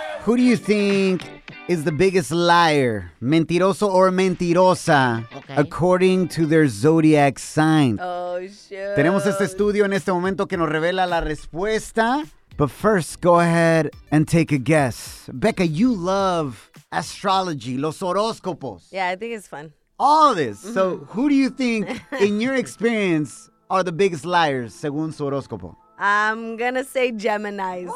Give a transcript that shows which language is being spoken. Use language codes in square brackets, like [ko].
[en] Who do you think is the biggest liar, mentiroso or mentirosa, according to their zodiac sign? Oh, shit. [es] Tenemos este estudio en este momento que nos revela la respuesta. [en] But first, go ahead and take a guess. Becca, you love astrology, [es] los horóscopos. [en] Yeah, I think it's fun. All this. Mm-hmm. So who do you think, in your experience, are the biggest liars, [es] según su horóscopo? [en] I'm gonna say Geminis.